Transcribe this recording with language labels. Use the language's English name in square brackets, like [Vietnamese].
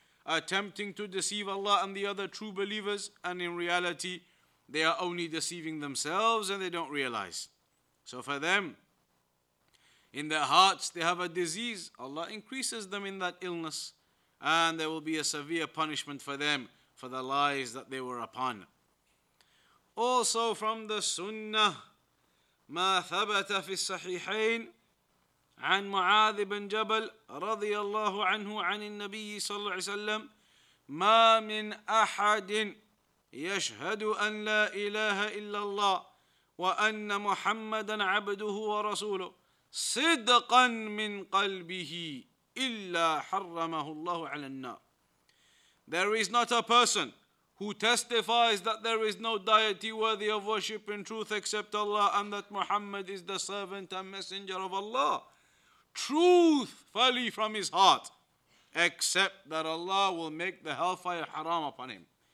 [English] Attempting to deceive Allah and the other true believers, and in reality, they are only deceiving themselves and they don't realize. So for them, in their hearts they have a disease, Allah increases them in that illness, and there will be a severe punishment for them for the lies that they were upon. Also from the sunnah, [Arabic] ما ثبت في الصحيحين عن معاذ بن جبل رضي الله عنه عن النبي صلى الله عليه وسلم ما من أحد يشهد أن لا إله إلا الله وأن محمدا عبده ورسوله صدقا من قلبه إلا حرمه الله على النار. [English] There is not a person who testifies that there is no deity worthy of worship in truth except Allah, and that Muhammad is the servant and messenger of Allah, truthfully from his heart, except that Allah will make the hellfire haram upon him.